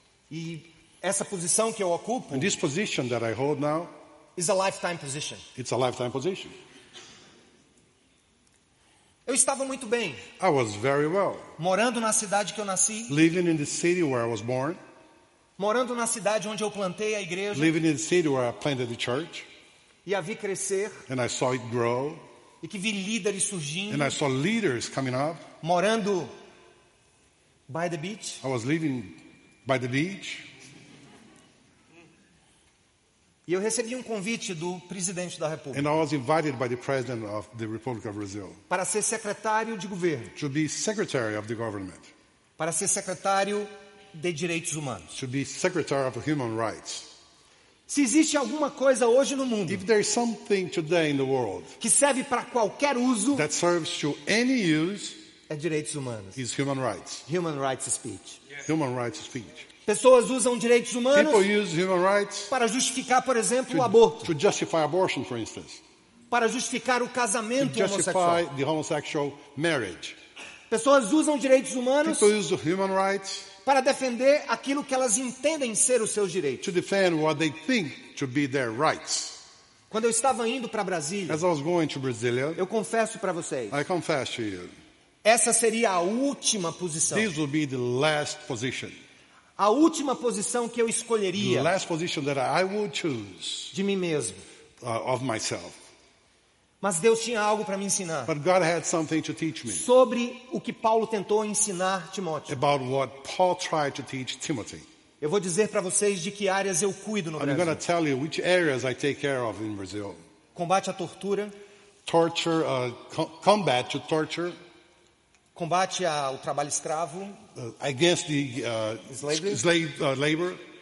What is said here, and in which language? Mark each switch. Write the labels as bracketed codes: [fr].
[pt] E essa posição que eu ocupo, [en] and this position that I hold now, is a lifetime position. It's a lifetime position. [pt] Eu estava muito bem. [en] I was very well. [pt] Morando na cidade que eu nasci. [en] Living in the city where I was born. [pt] Morando na cidade onde eu plantei a igreja. [en] Living in the city where I planted the church. [pt] E a vi crescer. [en] And I saw it grow. [pt] E que vi líderes surgindo. [en] And I saw leaders coming up. Morando by the beach. I was living by the beach. [pt] E eu recebi um convite do presidente da República. [en] And I was invited by the president of the Republic of Brazil. [pt] Para ser secretário de governo. [en] To be secretary of the government. [pt] Para ser secretário de direitos humanos. [en] To be secretary of human rights. [pt] Se existe alguma coisa hoje no mundo. [en] If there is something today in the world. [pt] Que serve para qualquer uso. [en] That serves to any use. [pt] É direitos humanos. [en] Is human rights. Human rights speech. Human rights speech. [pt] Pessoas usam direitos humanos. [en] People use human rights. [pt] Para justificar, por exemplo, o aborto. [en] To justify abortion, for instance. [pt] Para justificar o casamento homossexual. [en] To justify the homosexual marriage. [pt] Pessoas usam direitos humanos. [en] People use human rights. [pt] Para defender aquilo que elas entendem ser os seus direitos. [en] To defend what they think to be their rights. [pt] Quando eu estava indo para Brasília. [en] As I was going to Brasília. [pt] Eu confesso para vocês. [en] I confess to you. [pt] Essa seria a última posição. [en] This would be the last position. [pt] A última posição que eu escolheria. [en] The last position that I would choose. [pt] De mim mesmo. [en] Of myself. [pt] Mas Deus tinha algo para me ensinar. [en] But God had something to teach me. [pt] Sobre o que Paulo tentou ensinar Timóteo. [en] About what Paul tried to teach Timothy. [pt] Eu vou dizer para vocês de que áreas eu cuido no Brasil. [en] I'm going to tell you which areas I take care of in Brazil. [pt] Combate à tortura. [en] Torture, combat to torture. [pt] Combate ao trabalho escravo. [en] Against the slave labor.